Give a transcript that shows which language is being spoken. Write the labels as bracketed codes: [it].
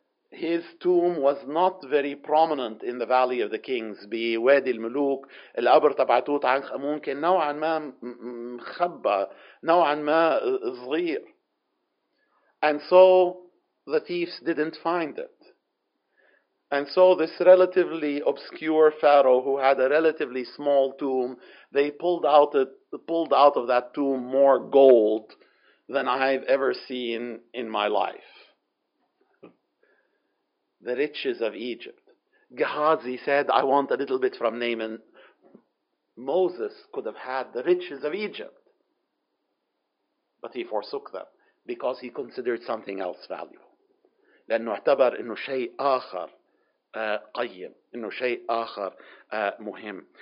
[en] His tomb was not very prominent in the Valley of the Kings. [ar] بوادي الملوك القبر تبع Tutankhamun كان نوعا ما مخبى نوعا ما صغير. [en] And so the thieves didn't find it. And so this relatively obscure pharaoh who had a relatively small tomb, they pulled out of that tomb more gold than I've ever seen in my life. The riches of Egypt. Gehazi said, I want a little bit from Naaman. Moses could have had the riches of Egypt. But he forsook them because he considered something else valuable. [ar] لأنه اعتبر إنه شيء آخر قيم إنه شيء آخر مهم.